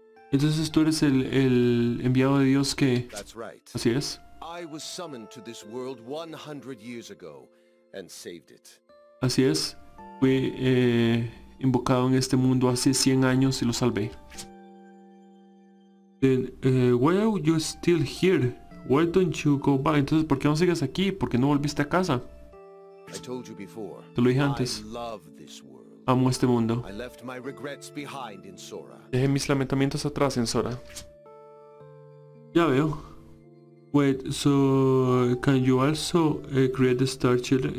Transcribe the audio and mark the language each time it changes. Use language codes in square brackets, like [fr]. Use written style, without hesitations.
[es] Entonces tú eres el enviado de Dios que... Así es. [en] I was summoned to this world 100 years ago and saved it. [es] Así es. Fui invocado en este mundo hace 100 años y lo salvé. [en] Then, why are you still here? Why don't you go back? [es] Entonces, ¿por qué no sigues aquí? ¿Por qué no volviste a casa? [en] I told you before, [es] te lo dije antes. [en] I love this world. [es] Amo este mundo. [en] I left my regrets behind in Sora. [es] Dejé mis lamentamientos atrás en Sora. Ya veo. [en] Wait, so can you also create the Star Children?